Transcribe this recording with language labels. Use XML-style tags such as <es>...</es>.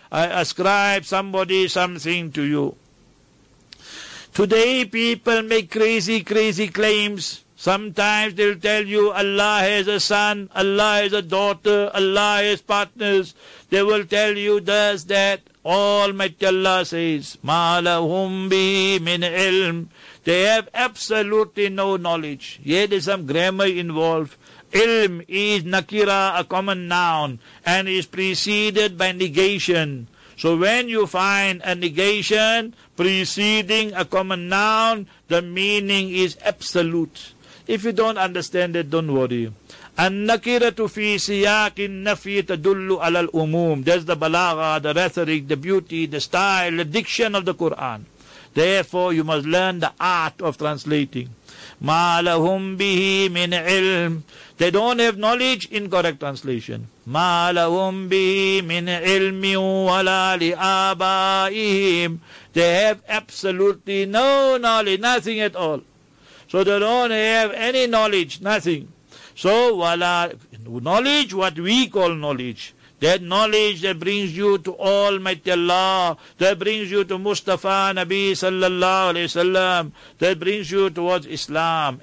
<en>I ascribe somebody something to you. Today people make crazy, crazy claims. Sometimes they'll tell you Allah has a son, Allah has a daughter, Allah has partners. They will tell you does that. Almighty Allah says,</en> <ar>مَا لَهُمْ بِهِ مِنْ عِلْمٍ.</ar> <en>They have absolutely no knowledge. Yeah, there's some grammar involved. Ilm is nakira, a common noun, and is preceded by negation. So when you find a negation preceding a common noun, the meaning is absolute. If you don't understand it, don't worry.</en> <ar>النكره في سياق النفي تدل على العموم.</ar> <en>That's the balagha, the rhetoric, the beauty, the style, the diction of the Quran. Therefore, you must learn the art of translating.</en> <ar>ما لهم به من علم.</ar> <en>They don't have knowledge in correct translation.</en> <ar>ما لهم به من علم ولا لآبائهم.</ar> <en>They have absolutely no knowledge, nothing at all. So they don't have any knowledge, nothing. So, voila, knowledge, what we call knowledge. That knowledge that brings you to Almighty Allah, that brings you to Mustafa Nabi Sallallahu Alaihi Wasallam, that brings you towards Islam.</en>